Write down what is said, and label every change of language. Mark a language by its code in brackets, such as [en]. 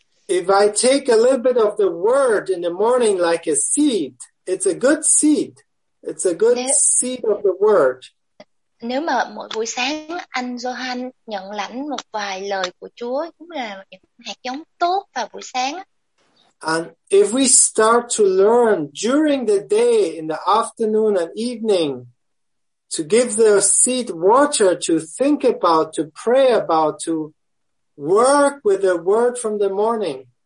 [en] If I take a little bit of the word in the morning like a seed, it's a good seed. It's a good seed of the word. [vi] Nếu mà mỗi buổi sáng anh Johan nhận lãnh một vài lời của Chúa, cũng là những hạt giống tốt vào buổi sáng. [en] And if we start to learn during the day, in the afternoon and evening, to give the seed water, to think about, to pray about, to work with the word from the morning.